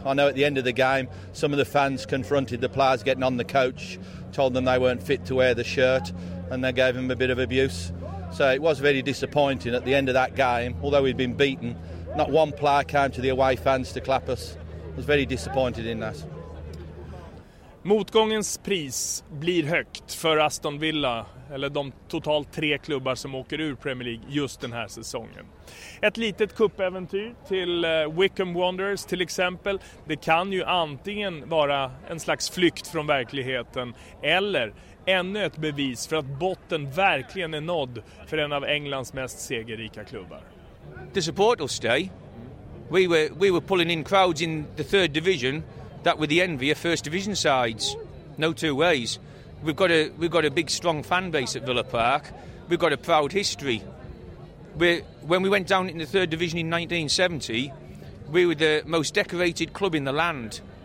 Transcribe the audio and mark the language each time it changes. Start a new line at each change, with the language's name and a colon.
English: I know at the end of the game, some of the fans confronted the players getting on the coach, told them they weren't fit to wear the shirt, and they gave him a bit of abuse. So it was very disappointing at the end of that game. Although we'd been beaten, not one player came to the away fans to clap us. I was very disappointed in that.
Swedish: Motgångens pris blir högt för Aston Villa, eller de totalt tre klubbar som åker ur Premier League just den här säsongen. Ett litet cupäventyr till Wycombe Wanderers till exempel. Det kan ju antingen vara en slags flykt från verkligheten eller ännu ett bevis för att botten verkligen är nådd för en av Englands mest segerrika klubbar.
English: The support will stay. We were pulling in crowds in the third division that with the envy of first division sides. No two ways. We've got a big strong fan base at Villa Park. We've got a proud history. When we went down in the third division in 1970, we were the most decorated club in the land.